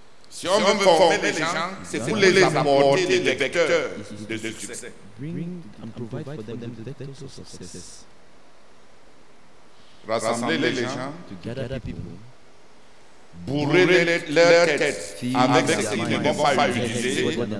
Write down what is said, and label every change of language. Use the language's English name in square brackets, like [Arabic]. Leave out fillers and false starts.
[French] Si on veut former les gens, c'est pour les apporter des vecteurs de succès. [English] Bring and provide for them the vectors of success. [French] Rassembler les gens, [English] to gather the people, [French] bourrer leur tête avec ce qu'ils ne vont pas utiliser.